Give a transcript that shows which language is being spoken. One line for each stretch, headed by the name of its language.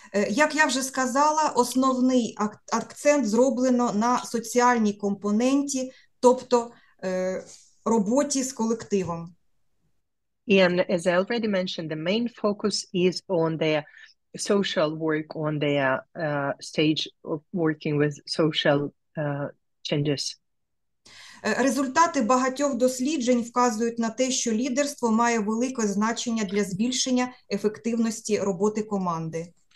Ukrainian: Як я вже сказала, основний акцент зроблено на соціальній компоненті, тобто роботі з колективом.
English: And as I already mentioned, the main focus is on the social work, on the stage of working with social changes.
Ukrainian: Результати багатьох досліджень вказують на те, що лідерство має велике значення для збільшення ефективності роботи команди.